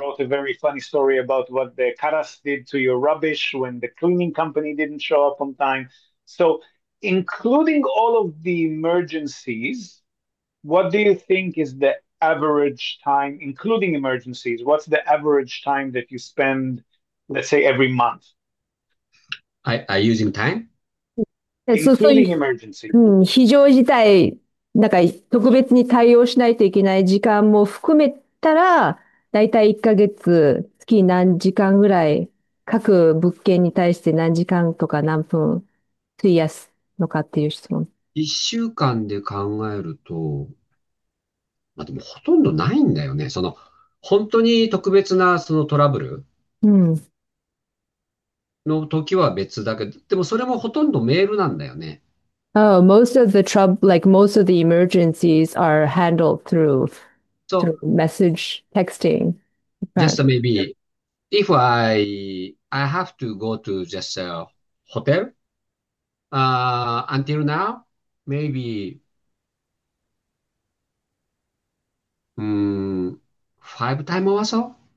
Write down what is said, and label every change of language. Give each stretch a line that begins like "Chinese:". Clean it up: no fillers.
English: wrote a very funny story about what the Karas did to your rubbish when the cleaning company didn't show up on time. So, including all of the emergencies, what do you think is the average time, including emergencies, what's the average time that you spend, let's say, every month? Are you using time? Including emergencies.
Japanese: 非常事態、なんか特別に対応しないといけない時間も含めたら、だいたい1ヶ月、月何時間ぐらい、各物件に対して何時間とか何分費やすのかっていう質問。一週間で考えると、まあでもほとんどないんだよね。本当に特別なそのトラブルの時は別だけど、でもそれもほとんどメールなんだよね。
English: Oh, most of the trouble, like most of the emergencies are handled through So, message texting. just maybe if I have to go to just a hotel, until now, maybe 5 times or so.